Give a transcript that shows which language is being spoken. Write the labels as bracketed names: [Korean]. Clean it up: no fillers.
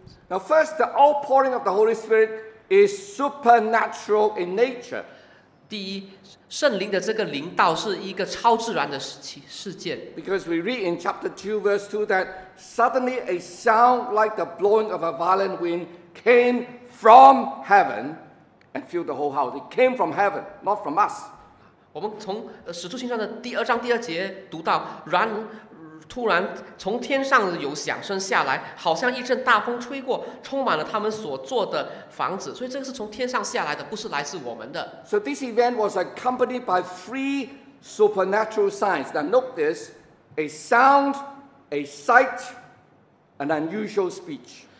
[English] Now first, the outpouring of the Holy Spirit is supernatural in nature. [Chinese] 第一，圣灵的这个灵道是一个超自然的事件。 [English] Because we read in chapter 2 verse 2 that suddenly a sound like the blowing of a violent wind came from heaven and filled the whole house. It came from heaven, not from us. [Chinese] 我们从使徒行传的第二章第二节读到，然突然从天上有响声下来，好像一阵大风吹过，充满了他们所坐的房子。所以这个是从天上下来的，不是来自我们的。 [English] So this event was accompanied by three supernatural signs. Now note this, a sound, a sight, an unusual speech.